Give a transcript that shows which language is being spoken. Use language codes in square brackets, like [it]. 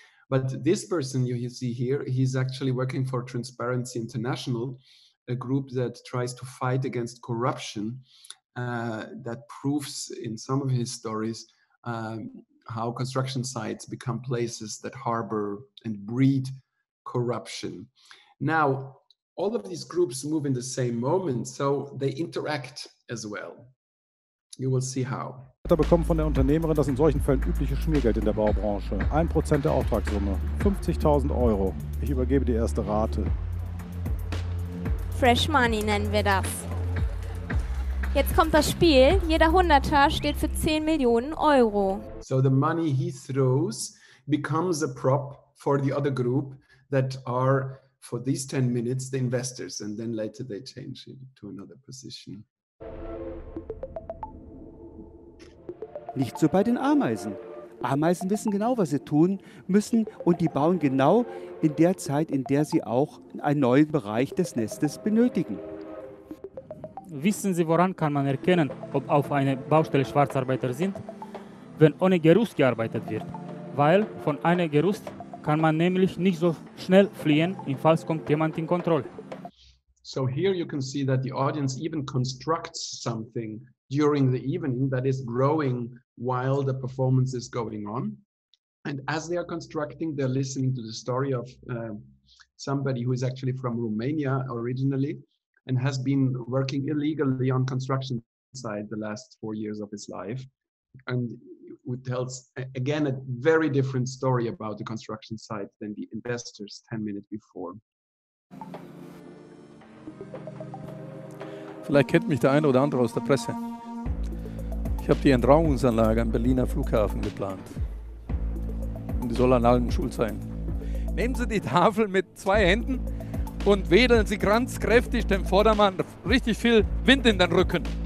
[en] But this person you see here, he's actually working for Transparency International, a group that tries to fight against corruption, that proves in some of his stories how construction sites become places that harbor and breed corruption. Now, all of these groups move in the same moment, so they interact as well. You will see how. [de] Da bekommen von der Unternehmerin das in solchen Fällen übliche Schmiergeld in der Baubranche. 1% der Auftragssumme, 50.000 Euro. Ich übergebe die erste Rate. Fresh Money nennen wir das. Jetzt kommt das Spiel. Jeder Hunderter steht für 10 Millionen Euro. [en] So the money he throws becomes a prop for the other group that are for these 10 minutes the investors, and then later they change it to another position. [de] Nicht so bei den Ameisen. Ameisen wissen genau, was sie tun müssen, und die bauen genau in der Zeit, in der sie auch einen neuen Bereich des Nestes benötigen. Wissen Sie, woran kann man erkennen, ob auf einer Baustelle Schwarzarbeiter sind? Wenn ohne Gerüst gearbeitet wird. Weil von einem Gerüst kann man nämlich nicht so schnell fliehen, falls kommt jemand in Kontrolle. [en] So here you can see that the audience even constructs something during the evening that is growing while the performance is going on. And as they are constructing, they're listening to the story of somebody who is actually from Romania originally and has been working illegally on construction site the last 4 years of his life. And it tells, again, a very different story about the construction site than the investors 10 minutes before. [de] Vielleicht kennt mich der eine oder andere aus der Presse. Ich habe die Entraumungsanlage am Berliner Flughafen geplant. Und die soll an allen schuld sein. Nehmen Sie die Tafel mit zwei Händen und wedeln Sie ganz kräftig dem Vordermann richtig viel Wind in den Rücken.